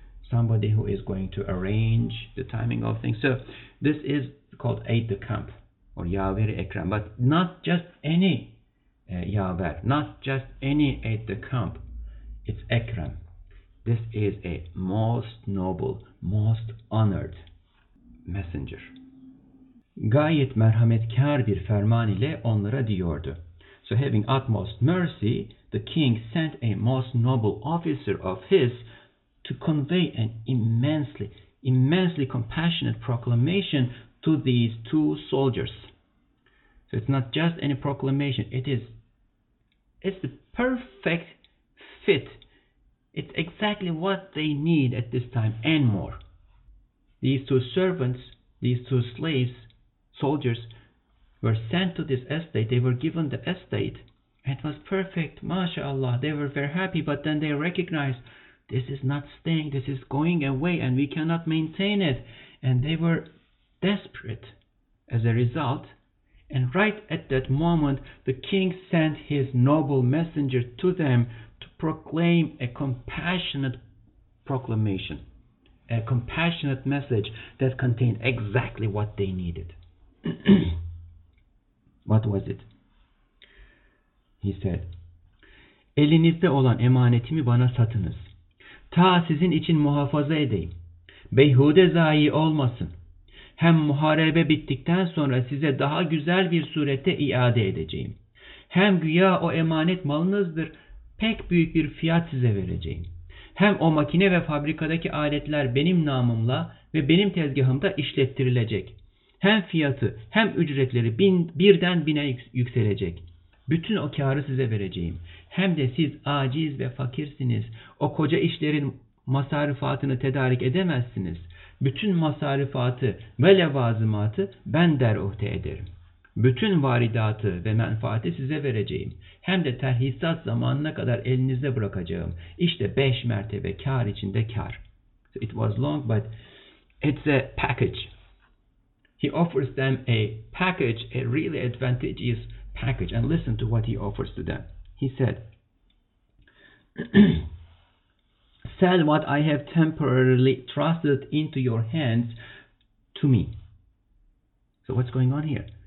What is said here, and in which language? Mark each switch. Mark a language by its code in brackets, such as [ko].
[en] somebody who is going to arrange the timing of things. So this is called aide-de-camp or Yaver Ekrem, but not just any Yaver, not just any aide-de-camp, it's Ekrem. This is a most noble, most honored messenger. [tr] Gayet merhametkar bir ferman ile onlara diyordu. [en] So having utmost mercy, the king sent a most noble officer of his to convey an immensely, immensely compassionate proclamation to these two soldiers. So it's not just any proclamation. It's the perfect fit. It's exactly what they need at this time and more. These two servants, these two slaves, soldiers were sent to this estate. They were given the estate. It was perfect. MashaAllah. They were very happy. But then they recognized this is not staying. This is going away and we cannot maintain it. And they were desperate as a result. And right at that moment, the king sent his noble messenger to them to proclaim a compassionate proclamation, a compassionate message that contained exactly what they needed. What was it? He said, [tr] elinizde olan emanetimi bana satınız. Ta sizin için muhafaza edeyim. Beyhude zayi olmasın. Hem muharebe bittikten sonra size daha güzel bir surette iade edeceğim. Hem güya o emanet malınızdır, pek büyük bir fiyat size vereceğim. Hem o makine ve fabrikadaki aletler benim namımla ve benim tezgahımda işlettirilecek. Hem fiyatı hem ücretleri birden bine yükselecek. Bütün o kârı size vereceğim. Hem de siz aciz ve fakirsiniz. O koca işlerin masarifatını tedarik edemezsiniz. Bütün masarifatı ve levazımatı ben derhute ederim. Bütün varidatı ve menfaati size vereceğim. Hem de terhisat zamanına kadar elinizde bırakacağım. İşte 5 mertebe kâr içinde kâr. [en] So it was long, but it's a package. He offers them a package, a really advantageous package. And listen to what he offers to them. He said, sell what I have temporarily trusted into your hands to me. So what's going on here?